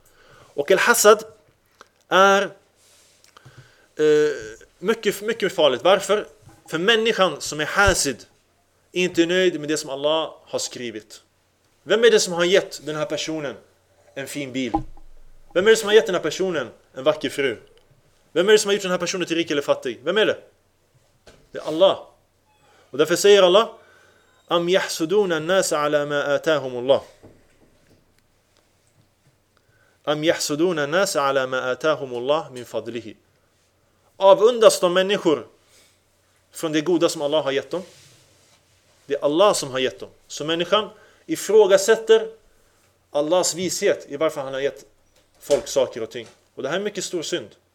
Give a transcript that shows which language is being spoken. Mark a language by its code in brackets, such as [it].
[sv] Och al-hasad är mycket, mycket farligt. Varför? För människan som är hasid är inte nöjd med det som Allah har skrivit. Vem är det som har gett den här personen en fin bil? Vem är det som har gett den här personen en vacker fru? Vem är det som har gjort den här personen till rik eller fattig? Vem är det? Det är Allah. Och därför säger Allah [ar] أَمْ يَحْسُدُونَ النَّاسَ عَلَى مَا آتَاهُمُ اللَّهِ أَمْ يَحْسُدُونَ النَّاسَ عَلَى مَا آتَاهُمُ اللَّهِ مِنْ فَضْلِهِ. [sv] Avundas de människor från det goda som Allah har gett dem? Det är Allah som har gett dem. Så människan ifrågasätter Allahs vishet i varför han har gett folk saker och ting. Och det här är mycket stor synd.